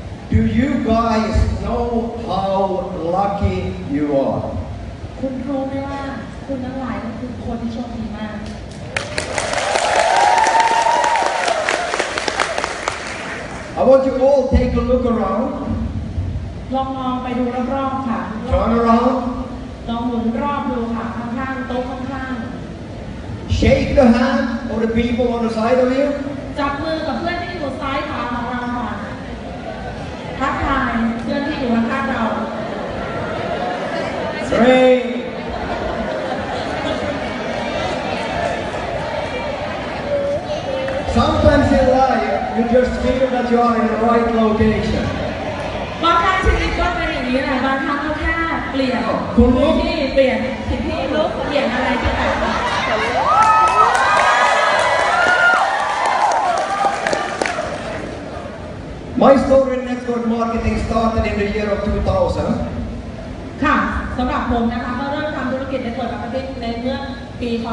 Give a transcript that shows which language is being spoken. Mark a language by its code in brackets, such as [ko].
[en] Do you guys know how lucky you are? [th] คุณรู้ไหมว่าคุณทั้งหลายคือคนที่โชคดีมาก [en] I want you all take a look around. [th] ลองมองไปดูรอบๆค่ะ [en] Turn around. [th] ลองหมุนรอบดูค่ะข้างๆโต๊ะข้าง [en] ๆ Shake the hand of the people on the side of you. [th] จับมือกับเพื่อนที่อยู่ซ้ายขวาของเราค่ะทักทายเพื่อนที่อยู่ข้างๆเรา [en] Great. Sometimes in life, you just feel that you are in the right location. [th] บางครั้งชีวิตก็เป็นอย่างนี้นะบางครั้งก็แค่เปลี่ยน คุณลุก ที่เปลี่ยนที่ลุกเปลี่ยนอะไรก็ตาม [en] My story in network marketing started in the year of 2000. [th] ค่ะสำหรับผมนะคะก็เริ่มทำธุรกิจ network marketing ในเมื่อปีพ.